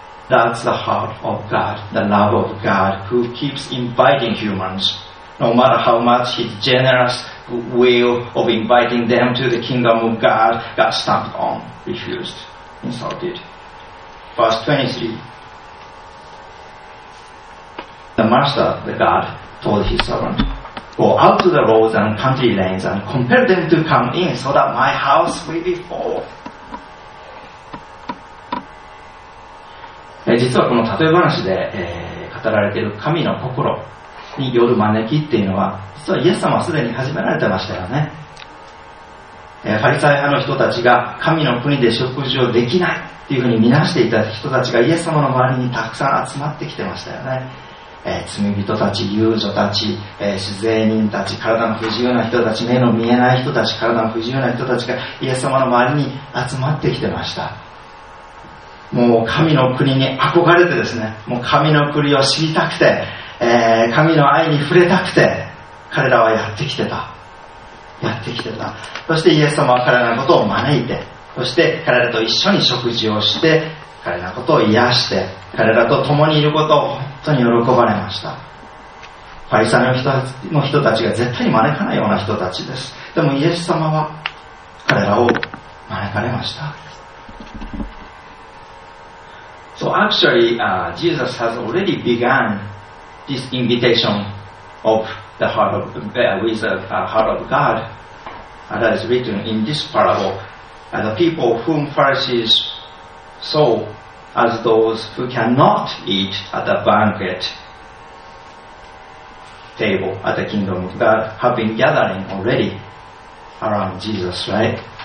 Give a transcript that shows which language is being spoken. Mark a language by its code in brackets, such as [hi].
[en] That's the heart of God, the love of God, who keeps inviting humans, no matter how much his generous will of inviting them to the kingdom of God got stamped on, refused, insulted. Verse 23. The master, the God, told his servant, "Go out to the roads and country lanes and compel them to come in so that my house may be full." [ja] 実はこの例え話で、語られている神の心による招きっていうのは、実はイエス様はすでに始められてましたよね。ファリサイ派の人たちが神の国で食事をできないっていうふうに見なしていた人たちがイエス様の周りにたくさん集まってきてましたよね。罪人たち、遊女たち、主税人たち、体の不自由な人たち、目の見えない人たち、体の不自由な人たちがイエス様の周りに集まってきてました。もう神の国に憧れてですね、もう神の国を知りたくて、神の愛に触れたくて、彼らはやってきてた。やってきてた。そしてイエス様は彼らのことを招いて、そして彼らと一緒に食事をして、彼らのことを癒して、彼らと共にいることを本当に喜ばれました。ファリサイの人たちが絶対に招かないような人たちです。でもイエス様は彼らを招かれました。 [en] So actually, Jesus has already begun this invitation of the heart of with the heart of God that is written in this parable. The people whom Pharisees saw as those who cannot eat at the banquet table at the kingdom of God have been gathering already around Jesus, right?